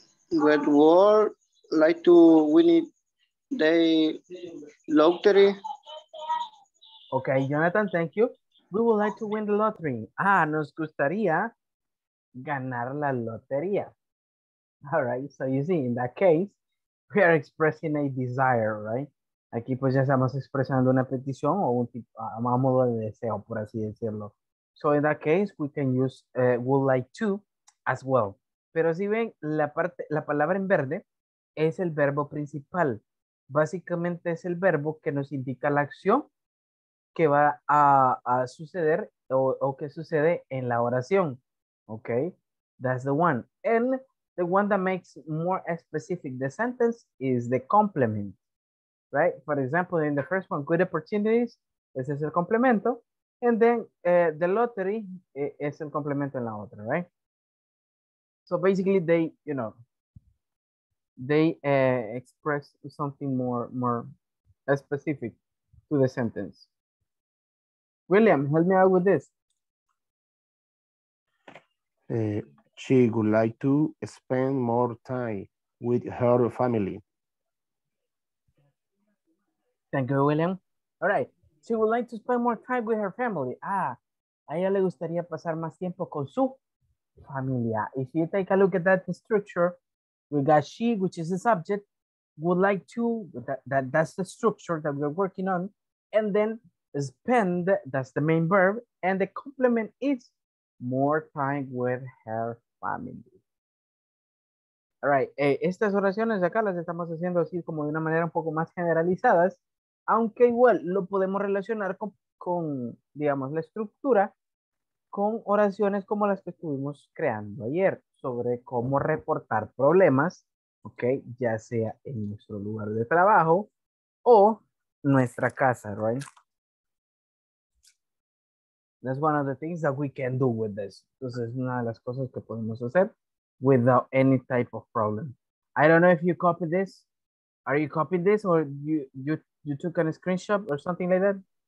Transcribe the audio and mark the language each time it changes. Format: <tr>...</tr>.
<en>Great world, like to win it, the lottery. Okay, Jonathan, thank you. We would like to win the lottery. Ah,</en> <es>nos gustaría ganar la lotería.</es> <en>All right, so you see, in that case, we are expressing a desire, right?</en> <es>Aquí pues ya estamos expresando una petición o un tipo, a modo de deseo, por así decirlo.</es> <en>So in that case, we can use would like to as well.</en> <es>Pero si ven, la palabra en verde es el verbo principal. Básicamente es el verbo que nos indica la acción que va a suceder o que sucede en la oración.</es> <en>Okay, that's the one. And the one that makes more specific the sentence is the complement, right? For example, in the first one, good opportunities,</en> <es>ese es el complemento.</es> <en>And then the lottery</en> <es>es el complemento en la otra, right?</es> <en>So basically they, you know, they express something more specific to the sentence. William, help me out with this. She would like to spend more time with her family. Thank you, William. All right. She would like to spend more time with her family.</en> <es>Ah, a ella le gustaría pasar más tiempo con su familia.</es> <en>If you take a look at that structure, we got she, which is the subject, would like to, that's the structure that we're working on. And then spend, that's the main verb. And the complement is more time with her family.</en> <es>All right, estas oraciones de acá las estamos haciendo así como de una manera un poco más generalizadas. Aunque igual lo podemos relacionar con, digamos, la estructura con oraciones como las que estuvimos creando ayer sobre cómo reportar problemas, ¿ok? Ya sea en nuestro lugar de trabajo o nuestra casa, ¿right?</es> <en>That's one of the things that we can do with this.</en> <es>Entonces, es una de las cosas que podemos hacer</es> <en>without any type of problem. I don't know if you copied this. Are you copying this or you took a screenshot or something like that?</en>